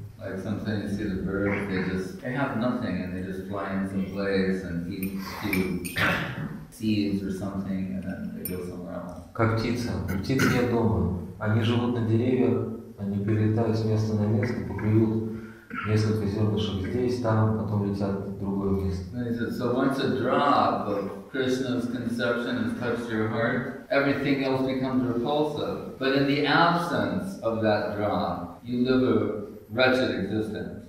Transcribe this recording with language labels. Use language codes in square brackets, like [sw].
[en] Like sometimes you see the birds, they have nothing and they just fly in some place and eat few seeds or something and then they go somewhere else. [ru] Как птица. У птиц нет дома. Они живут на деревьях, они перелетают с места на место, поклюют несколько зернышек здесь, там, потом летят в другое место. [en] And he said, so once a drop of Krishna's conception has touched your heart, everything else becomes repulsive. But in the absence of that drop, you live a wretched existence.